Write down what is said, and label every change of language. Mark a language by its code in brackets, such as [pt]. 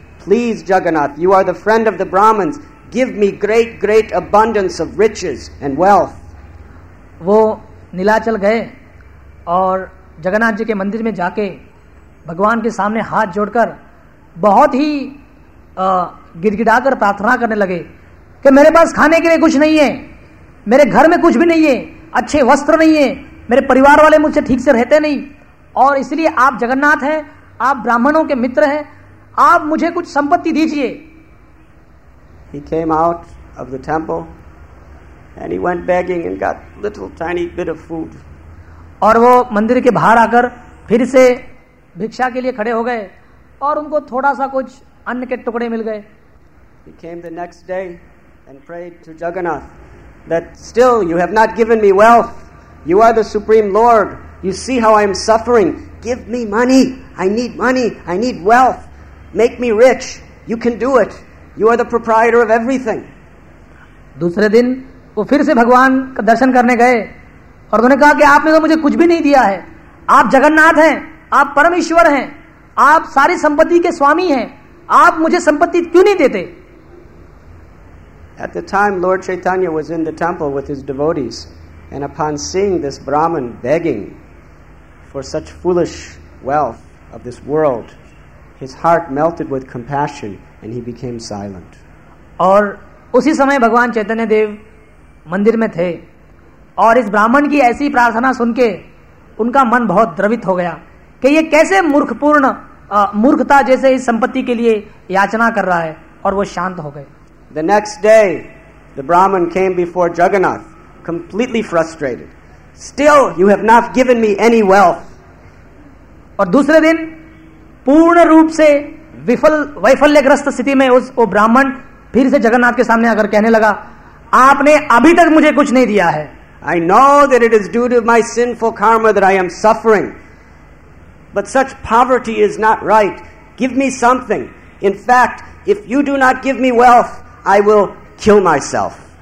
[en] Please, Jagannath, you are the friend of the Brahmins, give me great, great abundance of riches and wealth. [hi] वो नीलाचल गए और जगन्नाथ जी के मंदिर में जाके भगवान के सामने हाथ जोड़कर बहुत ही गिड़गिड़ाकर प्रार्थना करने लगे कि मेरे पास खाने के लिए कुछ नहीं है, मेरे घर में कुछ भी नहीं है, अच्छे वस्त्र नहीं है, मेरे परिवार वाले मुझसे ठीक से रहते नहीं, और इसलिए आप जगन्नाथ हैं, आप ब्राह्मणों के मित्र हैं, आप मुझे कुछ संपत्ति दीजिए। [en] He came out of the temple and he went begging and got little tiny bit of food. [hi] और वो मंदिर के बाहर आकर फिर से भिक्षा के लिए खड़े हो गए और उनको थोड़ा सा कुछ अन्न के टुकड़े मिल गए। [en] He came the next day and prayed to Jagannath that still you have not given me wealth. You are the supreme lord. You see how I am suffering. Give me money. I need money. I need wealth. Make me rich. You can do it. You are the proprietor of everything. [hi] दूसरे दिन वो फिर से भगवान का दर्शन करने गए और उन्होंने कहा कि आपने तो मुझे कुछ भी नहीं दिया है, आप जगन्नाथ हैं, आप परमेश्वर हैं, आप सारी संपत्ति के स्वामी हैं, आप मुझे संपत्ति क्यों नहीं देते? [en] At the time, Lord Chaitanya was in the temple with his devotees, and upon seeing this Brahmin begging for such foolish wealth of this world, his heart melted with compassion and he became silent. [hi] और उसी समय भगवान चैतन्य देव मंदिर में थे और इस ब्राह्मण की ऐसी प्रार्थना सुनके उनका मन बहुत द्रवित हो गया कि ये कैसे मूर्खपूर्ण मूर्खता जैसे इस संपत्ति के लिए याचना कर रहा है, और वो शांत हो गए। [en] The next day the Brahmin came before Jagannath completely frustrated. Still you have not given me any wealth. [hi] और दूसरे दिन पूर्ण रूप से विफल वैफल्यग्रस्त स्थिति में उस वो ब्राह्मण फिर से जगन्नाथ के सामने आकर कहने लगा, आपने अभी तक मुझे कुछ नहीं दिया है। [en] I know that it is due to my sinful karma that I am suffering, but such poverty is not right. Give me something. In fact, if you do not give me wealth, I will kill myself.